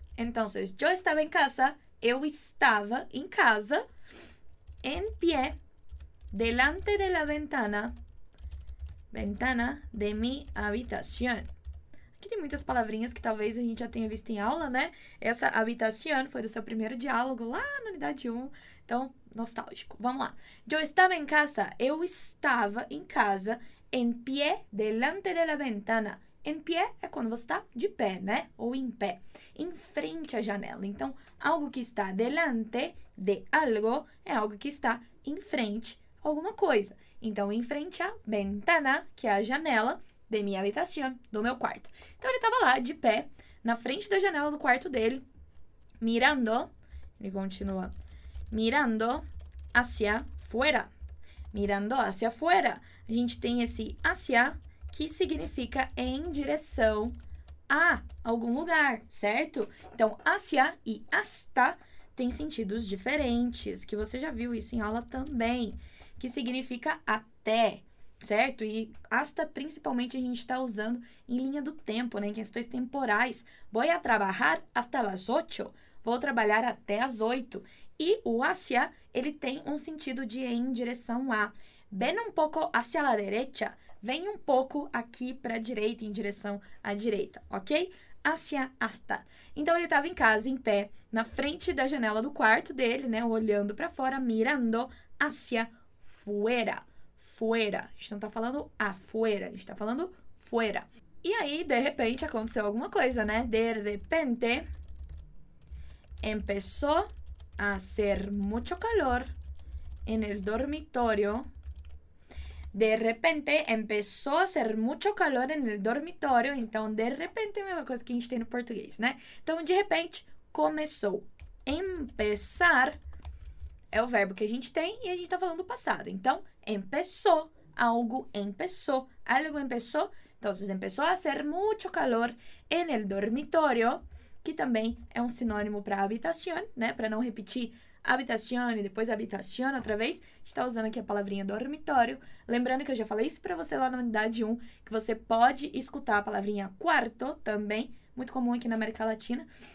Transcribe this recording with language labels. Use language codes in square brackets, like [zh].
[es] Entonces, yo estaba en casa. [pt] Eu estava em casa. [es] En pie. Delante de la ventana. Ventana de mi habitación. [pt] Aqui tem muitas palavrinhas que talvez a gente já tenha visto em aula, né? Essa habitación foi do seu primeiro diálogo lá na unidade 1. Então, nostálgico. Vamos lá. [es] Yo estaba en casa. [pt] Eu estava em casa. [es] En pie, delante de la ventana. [pt] En pie é quando você está de pé, né? Ou em pé. Em frente à janela. Então, algo que está delante de algo é algo que está em frente a alguma coisa. Então, en frente a ventana, que é a janela [es] de mi habitación, [pt] do meu quarto. Então, ele estava lá, de pé, na frente da janela do quarto dele, mirando, ele continua, [es] mirando hacia fuera. [pt] Mirando hacia fuera, a gente tem esse hacia que significa em direção a algum lugar, certo? Então, hacia e hasta têm sentidos diferentes, que você já viu isso em aula também, que significa até, certo? E hasta principalmente a gente está usando em linha do tempo, né? Em questões temporais. [es] Voy a trabajar hasta las 8. [pt] Vou trabalhar até as 8. E o hacia, ele tem um sentido de em direção a. [es] Ven un poco hacia la derecha. [pt] Vem um pouco aqui para a direita, em direção à direita, ok? Hacia hasta. Então, ele estava em casa, em pé, na frente da janela do quarto dele, né? Olhando para fora, [es] mirando hacia fuera. [pt] Fuera. A gente não está falando afuera, a gente está falando fuera. E aí, de repente, aconteceu alguma coisa, né? [es] De repente, empezó a hacer mucho calor en el dormitorio. De repente empezó a hacer mucho calor en el dormitorio. [pt] Então, de repente, é a mesma coisa que a gente tem no português, né? Então, de repente, começou. Empezar é o verbo que a gente tem e a gente está falando passado. [es] Então, empezó, algo empezó, algo empezó. Então, empezó a hacer mucho calor en el dormitorio. [pt] Que também é um sinônimo para habitación, né? Para não repetir habitación e depois habitación outra vez, a gente está usando aqui a palavrinha dormitório. Lembrando que eu já falei isso para você lá na unidade 1, que você pode escutar a palavrinha cuarto também, muito comum aqui na América Latina.